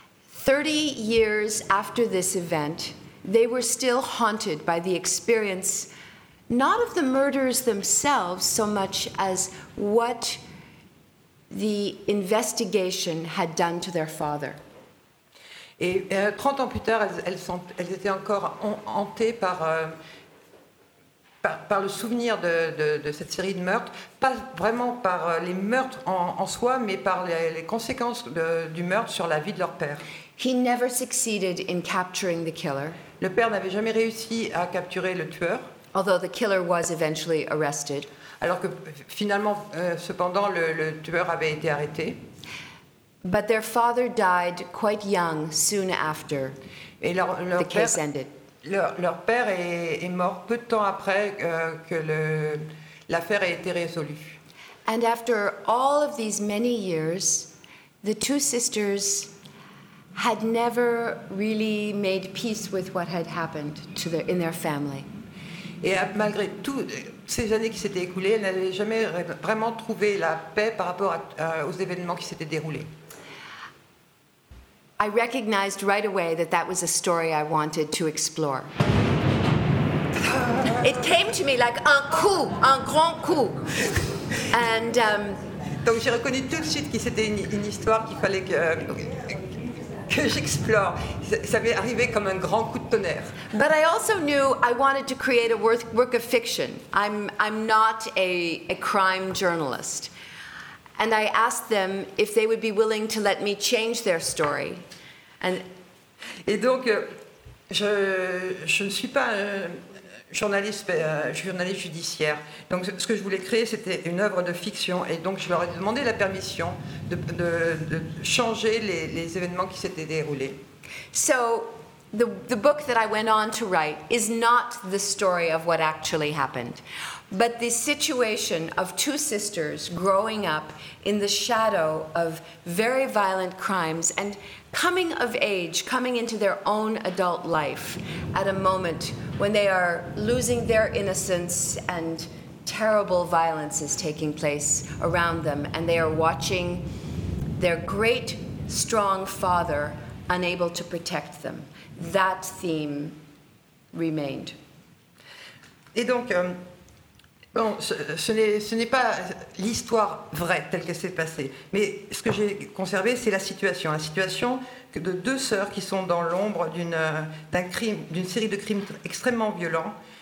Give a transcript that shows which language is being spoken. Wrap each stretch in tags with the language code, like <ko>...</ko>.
<en>30 years after this event, they were still haunted by the experience, not of the murders themselves so much as what the investigation had done to their father.</en> <fr>Et 30 ans plus tard, elles étaient encore hantées par le souvenir de cette série de meurtres, pas vraiment par les meurtres en soi, mais par les conséquences du meurtre sur la vie de leur père.</fr> <en>He never succeeded in capturing the killer.</en> <fr>Le père n'avait jamais réussi à capturer le tueur.</fr> <en>although the killer was eventually arrested.</en> <fr>Alors que finalement, cependant, le tueur avait été arrêté.</fr> <en>But their father died quite young, soon after the case ended.</en> <fr>Leur père est mort peu de temps après que l'affaire ait été résolue.</fr> <en>And after all of these many years, the two sisters had never really made peace with what had happened to in their family.</en> <fr>Et malgré tout ces années qui s'étaient écoulées, elles n'avaient jamais vraiment trouvé la paix par rapport aux événements qui s'étaient déroulés.</fr> <en>I recognized right away that that was a story I wanted to explore. It came to me like</en> <fr>un coup, un grand coup.</fr> <en>And</en> <fr>donc j'ai reconnu tout de suite qu'il c'était une histoire qu'il fallait que j'explore. Ça m'est arrivé comme un grand coup de tonnerre.</fr> <en>But I also knew I wanted to create a work of fiction. I'm not a crime journalist. And I asked them if they would be willing to let me change their story. And</en> <fr>et donc je ne suis pas journaliste judiciaire. Donc ce que je voulais créer, c'était une œuvre de fiction, et donc je leur ai demandé la permission de changer les événements qui s'étaient déroulés.</fr> <en>So the book that I went on to write is not the story of what actually happened, but the situation of two sisters growing up in the shadow of very violent crimes and coming of age, coming into their own adult life at a moment when they are losing their innocence and terrible violence is taking place around them, and they are watching their great, strong father unable to protect them. That theme remained.</en> <fr>Et donc, ce n'est pas l'histoire vraie telle qu'elle s'est passée, mais ce que j'ai conservé, c'est la situation de deux sœurs qui sont dans l'ombre d'une série de crimes extrêmement violents,</fr>